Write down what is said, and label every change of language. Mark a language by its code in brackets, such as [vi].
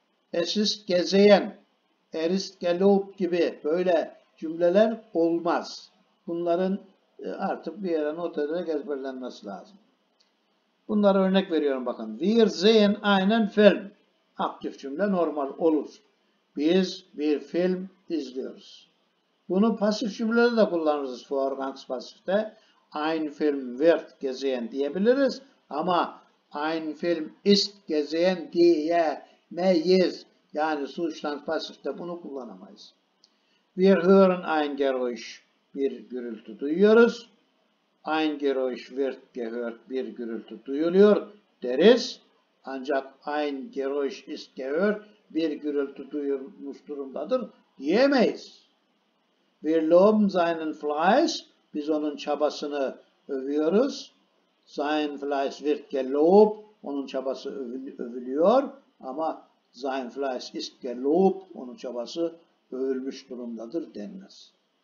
[de] Es ist gesehen, er ist gelobt [tr] gibi böyle cümleler olmaz. Bunların artık bir yere not ederek ezberlenmesi lazım. Bunlara örnek veriyorum bakın. [de] Wir sehen einen Film. [tr] Aktif cümle normal olur. Biz bir film izliyoruz. Bunu pasif cümlede de kullanırız. Vorgangs pasifte. [de] Ein Film wird gesehen [tr] diyebiliriz. Ama [de] ein Film ist gesehen [tr] diyemeyiz. Yani substantiv pasifte bunu kullanamayız. [de] Wir hören ein Geräusch. [tr] Bir gürültü duyuyoruz. [de] Ein Geräusch wird gehört. [tr] Bir gürültü duyuluyor deriz. Ancak [de] ein Geräusch ist gehört, [tr] bir gürültü duyulmuş durumdadır diyemeyiz. [de] Wir loben seinen Fleiß, [tr] biz onun çabasını övüyoruz. [de] Sein Fleiß wird gelobt, [tr] onun çabası övülüyor ama [de] sein Fleiß ist gelobt, [tr] onun çabası övülmüş durumdadır denmez.